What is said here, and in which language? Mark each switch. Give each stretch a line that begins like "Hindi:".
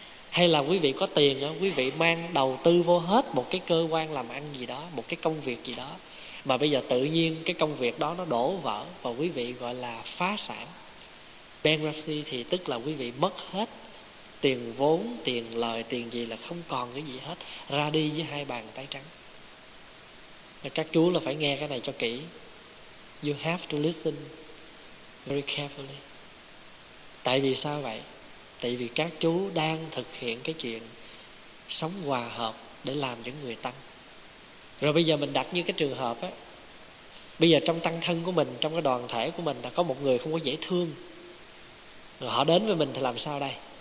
Vietnamese: Hay là quý vị có tiền, quý vị mang đầu tư vô hết một cái cơ quan làm ăn gì đó, một cái công việc gì đó, mà bây giờ tự nhiên cái công việc đó nó đổ vỡ và quý vị gọi là phá sản. Bankruptcy thì tức là quý vị mất hết tiền vốn, tiền lời, tiền gì, là không còn cái gì hết, ra đi với 2 bàn tay trắng. Các chú là phải nghe cái này cho kỹ.
English: You have to listen very carefully.
Vietnamese: Tại vì sao vậy? Tại vì các chú đang thực hiện cái chuyện sống hòa hợp để làm những người tăng. Rồi bây giờ mình đặt như cái trường hợp á, bây giờ trong tăng thân của mình, trong cái đoàn thể của mình, là có một người không có dễ thương, rồi họ đến với mình thì làm sao đây?